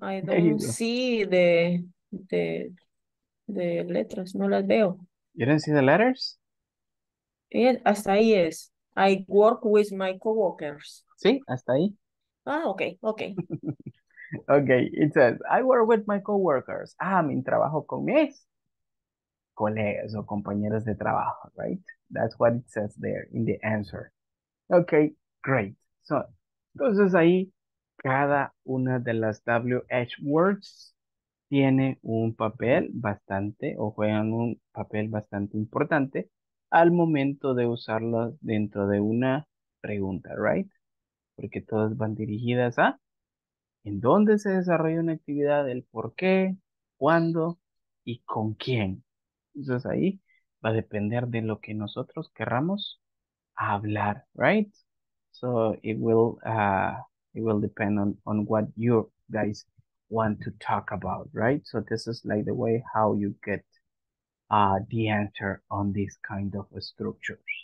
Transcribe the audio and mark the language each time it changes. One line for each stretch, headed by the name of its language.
English: I don't see the letras. No las veo. You don't see the letters? Yeah, hasta ahí es. I work with my co-workers.
Spanish: Sí, hasta ahí.
English: Ah, okay, okay. Okay, it says, I work with my co-workers.
Spanish: Ah, mi trabajo con mis colegas o compañeros de trabajo, right?
English: That's what it says there in the answer. Okay, great.
Spanish: So, entonces ahí cada una de las WH words tiene un papel bastante o juegan un papel bastante importante al momento de usarlo dentro de una pregunta, right? Porque todas van dirigidas a en dónde se desarrolla una actividad, el por qué, cuándo y con quién. Entonces ahí va a depender de lo que nosotros querramos hablar, right?
English: So it will depend on what you guys want to talk about, right? So this is like the way how you get the answer on these kind of structures.